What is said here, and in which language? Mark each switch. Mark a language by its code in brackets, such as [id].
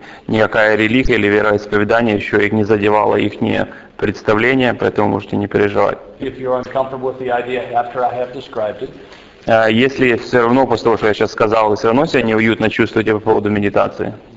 [ru] Никакая религия или вероисповедание еще их не задевало, их не представление, поэтому можете не переживать. [en] If you're uncomfortable with the idea after I have described it. [ru] Если все равно, после того, что я сейчас сказал, вы все равно себя неуютно чувствуете по поводу медитации,